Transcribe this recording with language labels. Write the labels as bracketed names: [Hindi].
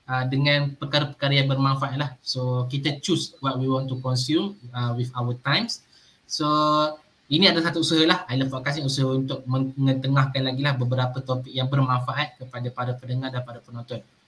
[Malay] dengan perkara-perkara yang bermanfaat lah. [English] So kita choose what we want to consume with our times. [Malay] So ini adalah satu usaha lah, I Love Podcast ni usaha untuk mengetengahkan lagi lah beberapa topik yang bermanfaat kepada para pendengar dan para penonton.